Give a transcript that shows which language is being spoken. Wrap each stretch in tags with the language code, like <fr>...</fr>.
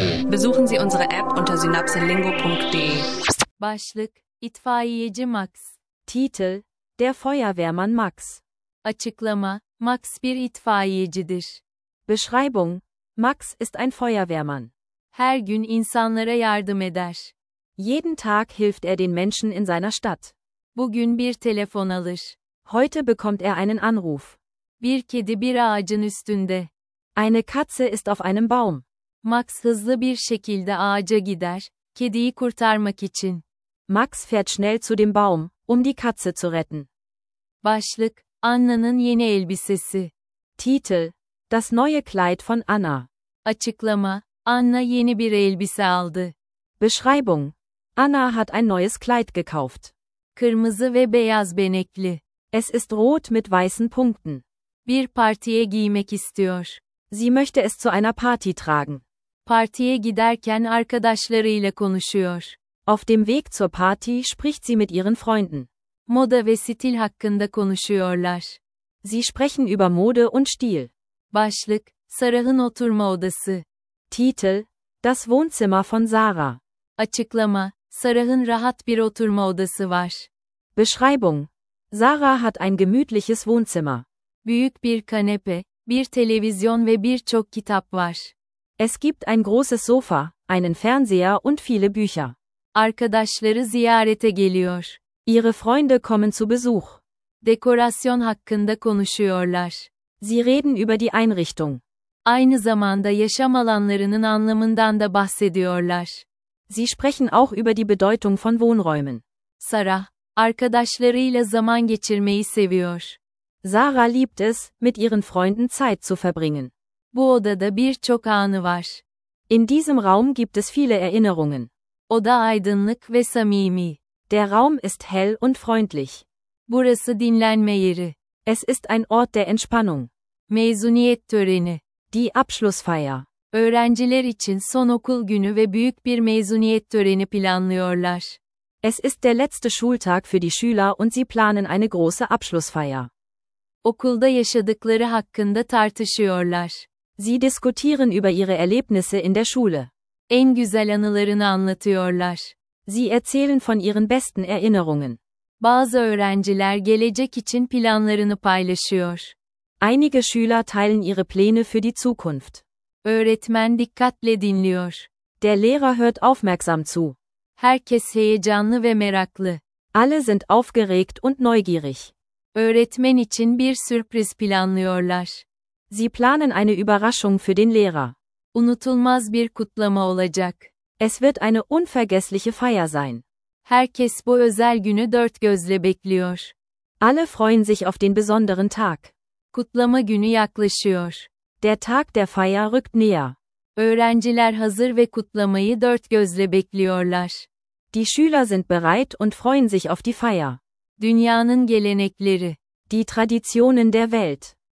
<de>Besuchen Sie unsere App unter synapselingo.de.</de> <tr>Başlık: İtfaiyeci Max.</tr> <de>Titel: Der Feuerwehrmann Max.</de> <tr>Açıklama: Max bir itfaiyecidir.</tr> <de>Beschreibung: Max ist ein Feuerwehrmann.</de> <tr>Her gün insanlara yardım eder.</tr> <de>Jeden Tag hilft er den Menschen in seiner Stadt.</de> <tr>Bugün bir telefon alır.</tr> <de>Heute bekommt er einen Anruf.</de> <tr>Bir kedi bir ağacın üstünde.</tr> <de>Eine Katze ist auf einem Baum.</de> <tr>Max hızlı bir şekilde ağaca gider, kediyi kurtarmak için.</tr> <de>Max fährt schnell zu dem Baum, um die Katze zu retten.</de> <tr>Başlık: Anna'nın yeni elbisesi.</tr> <de>Titel: Das neue Kleid von Anna.</de> <tr>Açıklama: Anna yeni bir elbise aldı.</tr> <de>Beschreibung: Anna hat ein neues Kleid gekauft.</de> <tr>Kırmızı ve beyaz benekli.</tr> <de>Es ist rot mit weißen Punkten.</de> <tr>Bir partiye giymek istiyor.</tr> <de>Sie möchte es zu einer Party tragen.</de> <tr>Partiye giderken arkadaşlarıyla konuşuyor.</tr> <de>Auf dem Weg zur Party spricht sie mit ihren Freunden.</de> <tr>Moda ve stil hakkında konuşuyorlar.</tr> <de>Sie sprechen über Mode und Stil.</de> <tr>Başlık: Sarah'ın oturma odası.</tr> <de>Titel: Das Wohnzimmer von Sarah.</de> <tr>Açıklama: Sarah'ın rahat bir oturma odası var.</tr> <de>Beschreibung: Sarah hat ein gemütliches Wohnzimmer.</de> <tr>Büyük bir kanepe, bir televizyon ve birçok kitap var.</tr> <de>Es gibt ein großes Sofa, einen Fernseher und viele Bücher.</de> <tr>Arkadaşları ziyarete geliyor.</tr> <de>Ihre Freunde kommen zu Besuch.</de> <tr>Dekorasyon hakkında konuşuyorlar.</tr> <de>Sie reden über die Einrichtung.</de> <tr>Aynı zamanda yaşam alanlarının anlamından da bahsediyorlar.</tr> <de>Sie sprechen auch über die Bedeutung von Wohnräumen.</de> <tr>Sarah, arkadaşlarıyla zaman geçirmeyi seviyor.</tr> <de>Sarah liebt es, mit ihren Freunden Zeit zu verbringen.</de> <tr>Bu odada birçok anı var.</tr> <de>In diesem Raum gibt es viele Erinnerungen.</de> <tr>Oda aydınlık ve samimi.</tr> <de>Der Raum ist hell und freundlich.</de> <tr>Burası dinlenme yeri.</tr> <de>Es ist ein Ort der Entspannung.</de> <tr>Mezuniyet töreni.</tr> <de>Die Abschlussfeier.</de> <tr>Öğrenciler için son okul günü ve büyük bir mezuniyet töreni planlıyorlar.</tr> <de>Es ist der letzte Schultag für die Schüler und sie planen eine große Abschlussfeier.</de> <tr>Okulda yaşadıkları hakkında tartışıyorlar.</tr> <de>Sie diskutieren über ihre Erlebnisse in der Schule.</de> <tr>En güzel anılarını anlatıyorlar.</tr> <de>Sie erzählen von ihren besten Erinnerungen.</de> <tr>Bazı öğrenciler gelecek için planlarını paylaşıyor.</tr> <de>Einige Schüler teilen ihre Pläne für die Zukunft.</de> <tr>Öğretmen dikkatle dinliyor.</tr> <de>Der Lehrer hört aufmerksam zu.</de> <tr>Herkes heyecanlı ve meraklı.</tr> <de>Alle sind aufgeregt und neugierig.</de> <tr>Öğretmen için bir sürpriz planlıyorlar.</tr> <de>Sie planen eine Überraschung für den Lehrer.</de> <tr>Unutulmaz bir kutlama olacak.</tr> <de>Es wird eine unvergessliche Feier sein.</de> <tr>Herkes bu özel günü dört gözle bekliyor.</tr> <de>Alle freuen sich auf den besonderen Tag.</de> <tr>Kutlama günü yaklaşıyor.</tr> <de>Der Tag der Feier rückt näher.</de> <tr>Öğrenciler hazır ve kutlamayı dört gözle bekliyorlar.</tr> <de>Die Schüler sind bereit und freuen sich auf die Feier.</de> <tr>Dünyanın gelenekleri.</tr> <de>Die Traditionen der Welt.</de>